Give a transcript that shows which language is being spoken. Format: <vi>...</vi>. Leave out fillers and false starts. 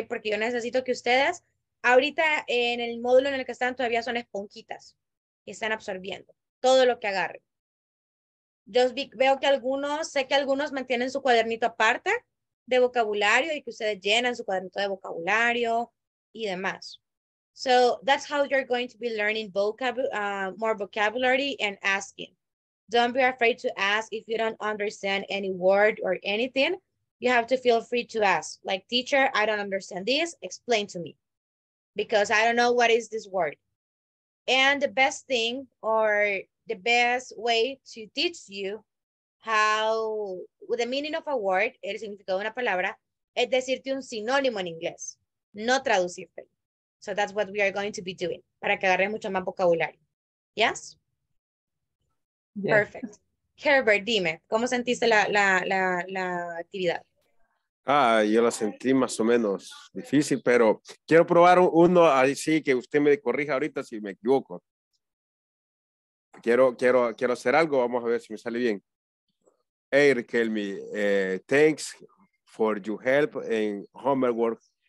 <es>Porque yo necesito que ustedes, ahorita en el módulo en el que están, todavía son esponjitas y están absorbiendo todo lo que agarren. Yo veo que sé que algunos mantienen su cuadernito aparte de vocabulario y que ustedes llenan su cuadernito de vocabulario y demás.</es> <en>So that's how you're going to be learning more vocabulary and asking. Don't be afraid to ask if you don't understand any word or anything. You have to feel free to ask. Like, teacher, I don't understand this. Explain to me. Because I don't know what is this word. And the best thing or the best way to teach you how, with the meaning of a word,</en> <es>el significado de una palabra, es decirte un sinónimo en inglés. No traducirte.</es> <en>So that's what we are going to be doing.</en> <es>Para que agarre mucho más vocabulario.</es> <en>Yes? Yeah. Perfect.</en> <es>Herbert, dime, ¿cómo sentiste la actividad? Ah, yo la sentí más o menos difícil, pero quiero probar uno así que usted me corrija ahorita si me equivoco. Quiero hacer algo, vamos a ver si me sale bien.</es> <en>Hey, Riquelme, thanks for your help in homework.</en>